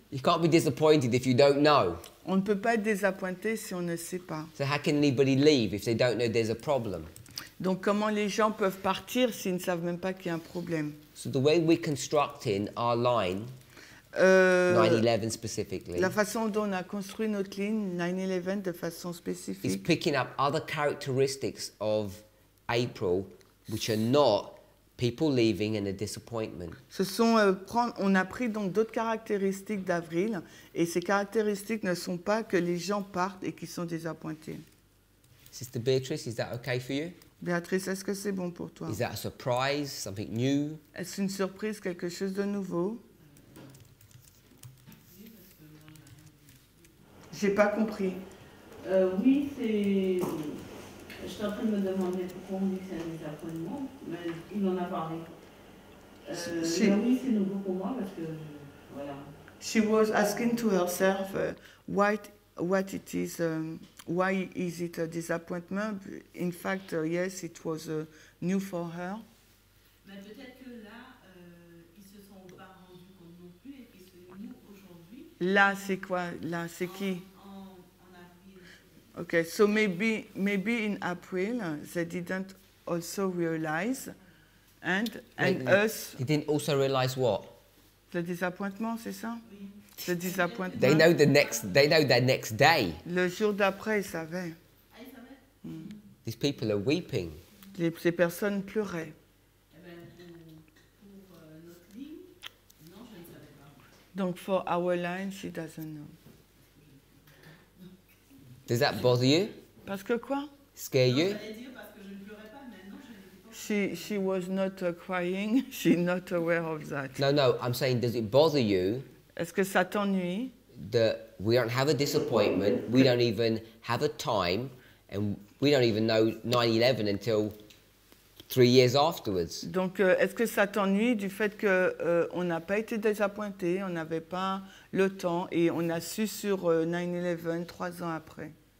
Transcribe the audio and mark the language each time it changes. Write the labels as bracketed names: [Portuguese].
[English] You can't be disappointed if you don't know. [French] On ne peut pas être désappointé si on ne sait pas. [English] So how can anybody leave if they don't know there's a problem? [French] Donc comment les gens peuvent partir s'ils ne savent même pas qu'il y a un problème? [English] So the way we're constructing our line, 9/11 specifically. [French] La façon dont on a construit notre ligne 9/11 de façon spécifique. [English] Is picking up other characteristics of April, which are not. People leaving and a disappointment. [French] On a pris donc d'autres caractéristiques d'avril et ces caractéristiques ne sont pas que les gens partent et qui sont désappointés. [English] Sister Beatrice, is that okay for you? [French] Beatrice, est-ce que c'est bon pour toi? [English] Is that a surprise, something new? [French] Est-ce une surprise, quelque chose de nouveau? J'ai pas compris. Oui, c'est... Je suis en train de me demander pourquoi on dit que c'est un désappointement, mais il en a parlé. Oui, c'est nouveau pour moi parce que, voilà. [English] She was asking to herself why is it a disappointment? In fact, yes, it was new for her. [French] Mais peut-être que là, ils se sont pas rendus compte non plus et que c'est nous aujourd'hui. Là, c'est quoi? Là, c'est qui? [English] Okay, so maybe in April they didn't also realize, and us. They didn't also realize what? The disappointment, [French] c'est ça? Oui. [English] The disappointment. They know the next. They know the next day. [French] Le jour d'après, ils savaient. [English] These people are weeping. [French] Ces personnes pleuraient. [English] Donc for our line, she doesn't know. Does that bother you? [French] Parce que quoi? [English] Scare [French] non, [English] you? She was not crying. She's not aware of that. No. I'm saying, does it bother you? [French] Est-ce que ça t'ennuie? [English] That we don't have a disappointment. We don't even have a time, and we don't even know 9/11 until 3 years afterwards. [French] Donc, est-ce que ça t'ennuie du fait que on n'a pas été désappointé, on n'avait pas le temps et on a su sur 9/11 trois ans après.